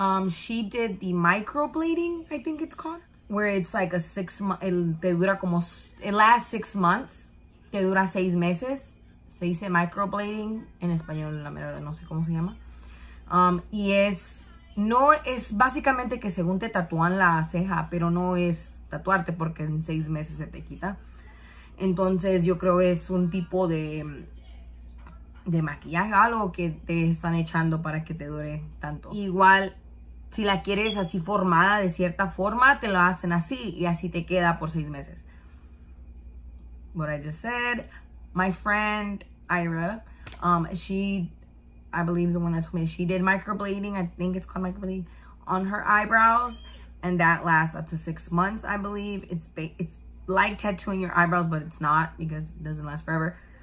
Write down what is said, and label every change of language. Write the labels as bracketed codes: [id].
[en] She did the microblading, I think it's called, where it's like a 6 month, it [es] dura como, [en] it lasts 6 months, [es] que dura 6 meses. Se dice microblading en español, la verdad no sé cómo se llama. Y es, no es básicamente que según te tatúan la ceja, pero no es tatuarte porque en 6 meses se te quita. Entonces yo creo es un tipo de maquillaje, algo que te están echando para que te dure tanto. Igual, si la quieres así formada de cierta forma, te la hacen así y así te queda por 6 meses. [en] What I just said. My friend Ira, I believe the one that told me she did microblading. I think it's called microblading on her eyebrows, and that lasts up to 6 months. I believe it's like tattooing your eyebrows, but it's not because it doesn't last forever.